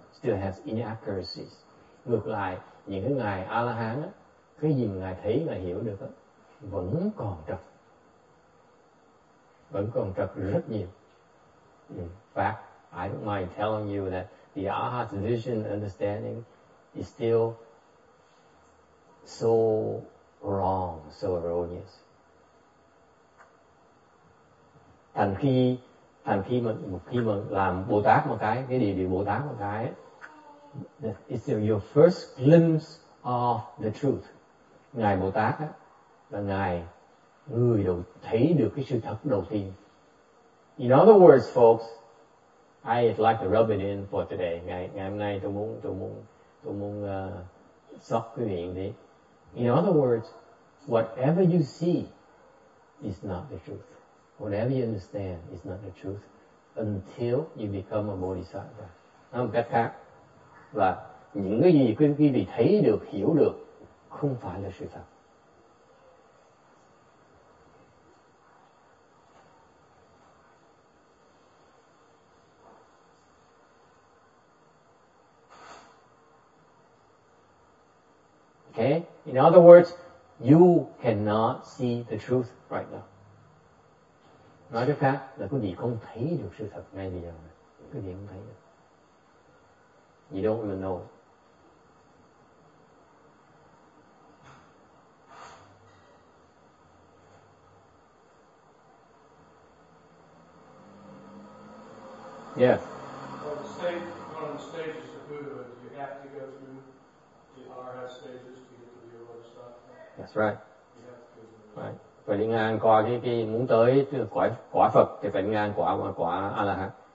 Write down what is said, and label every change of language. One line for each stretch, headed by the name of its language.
English: Still has inaccuracies.
Vietnamese: Ngược lại, những cái Ngài A-la-hán á, cái gì mà Ngài thấy, Ngài hiểu được á, vẫn còn trật. Vẫn còn trật rất nhiều.
English: In fact, I don't mind telling you that the Arhat's vision understanding is still so wrong, so erroneous. Thành khi mà làm Bồ Tát một cái, cái điều Bồ Tát một cái á, it's your first glimpse of the truth.
Vietnamese: Ngài Bồ Tát á, là Ngài người đầu thấy được cái sự thật đầu tiên.
English: In other words, folks, I'd like to rub it in for today.
Vietnamese: Ngày hôm nay tôi muốn sóc cái miệng đi.
English: In other words, whatever you see is not the truth. Whatever you understand is not the truth until you become a Bodhisattva.
Vietnamese: Nói một cách khác, và những cái gì quý vị thấy được, hiểu được, không phải là sự thật.
English: Okay? In other words, you cannot see the truth right now.
Vietnamese: Nói cách khác là quý vị không thấy được sự thật ngay bây giờ. Quý vị không thấy được.
English: You don't even know. Yes. Well, the stage, one of the stages of Buddha is you have to go through the RS stages to get to the Arhat stuff. That's right. You have to go through. Right.
Vietnamese: Phải đi ngang qua cái muốn tới cái quả Phật thì phải đi ngang quả A-la-hán.